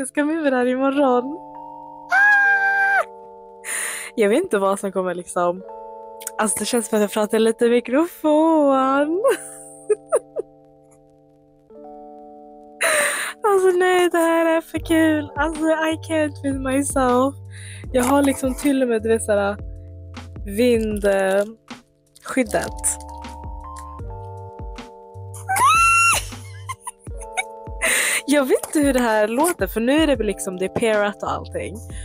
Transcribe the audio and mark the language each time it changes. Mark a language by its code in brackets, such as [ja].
[sv] Jag ska med det här imorgon. Jag vet inte vad som kommer liksom. Alltså det känns som att jag pratar lite i mikrofon. Alltså nej, det här är för kul. [en] Alltså I can't with myself. [sv] Jag har liksom till och med det såhär vindskyddet. Jag vet inte hur det här låter, för nu är det liksom, det är parat och allting.